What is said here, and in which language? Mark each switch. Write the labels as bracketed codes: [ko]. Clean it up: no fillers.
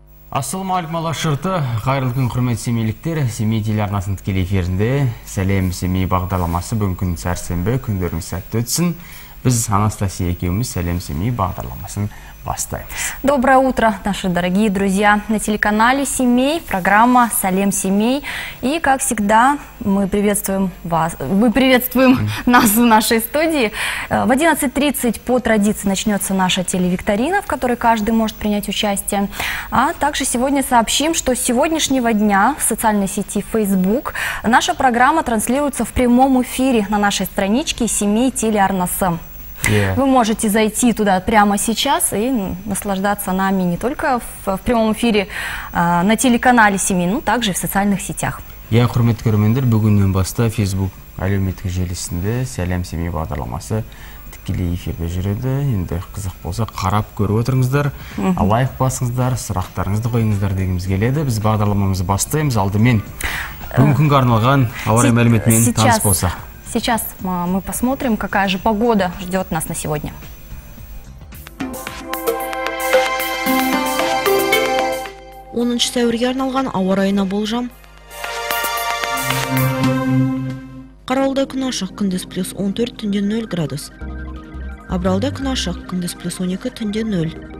[kk] Ассаламу алейкум алашырты, қайырлы күн құрметті семейліктер, Семей телеарнасының тікелей эфирінде сәлем семей бағдарламасы бүгін сәрсенбі, күндеріңіз сәтті өтсін. Біз Анастасия екеуміз сәлем семей бағдарламасын бастаймыз. [ru] Доброе утро, наши дорогие друзья, на телеканале Семей, программа «Сәлем семей». И, как всегда, мы приветствуем вас, мы приветствуем нас в нашей студии. В 11:30 по традиции начнется наша телевикторина, в которой каждый может принять участие. А также сегодня сообщим, что с сегодняшнего дня в социальной сети Facebook наша программа транслируется в прямом эфире на нашей страничке «Семей Телеарнасы». Вы можете зайти туда прямо сейчас и наслаждаться нами не только в прямом эфире на телеканале «Семей», но также и в социальных сетях. [kk] Я құрметті көрермендер, бүгіннен бастап Facebook әлеуметтік желісінде «Сәлем семей» бағдарламасы тікелей эфирде жүреді. Енді қызық болса қарап көріп отырыңыздар, лайк басыңыздар, сұрақтарыңызды қойыңыздар дегіміз келеді. Біз бағдарламамызды бастаймыз. Алдымен бүгінгі арналған ауа-райы мәліметімен таныс болсақ. [ru] Сейчас мы посмотрим, какая же погода ждет нас на сегодня. [kk] Оныншы сәуірге арналған ауа-райына болжам. Қаралда күн ашық, күндіз плюс 14, түнде 0 градус. Абралда күн ашық, күндіз плюс 12, түнде 0.